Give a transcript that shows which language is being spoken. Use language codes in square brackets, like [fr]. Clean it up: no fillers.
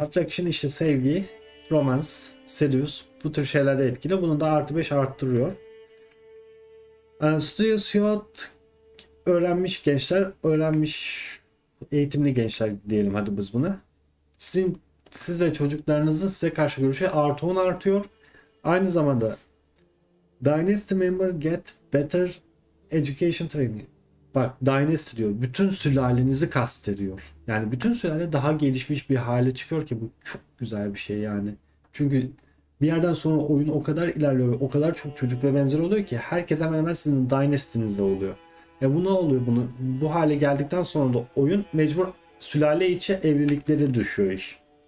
[tr] Attraction işte sevgi, romance, seduce bu tür şeylerde etkili. Bunu da artı 5 arttırıyor. Studio öğrenmiş gençler, öğrenmiş eğitimli gençler diyelim hadi biz buna. Siz ve çocuklarınızın size karşı görüşü artı 10 artıyor. Aynı zamanda [en] Dynasty member get better education training. [tr] Bak Dynasty diyor. Bütün sülalenizi kastediyor. Yani bütün sülale daha gelişmiş bir hale çıkıyor ki bu çok güzel bir şey yani. Çünkü bir yerden sonra oyun o kadar ilerliyor ve o kadar çok çocuk ve benzeri oluyor ki herkes hemen hemen sizin Dynasty'nizde oluyor. Bu ne oluyor? Bu hale geldikten sonra da oyun mecbur sülale içi evlilikleri düşüyor iş.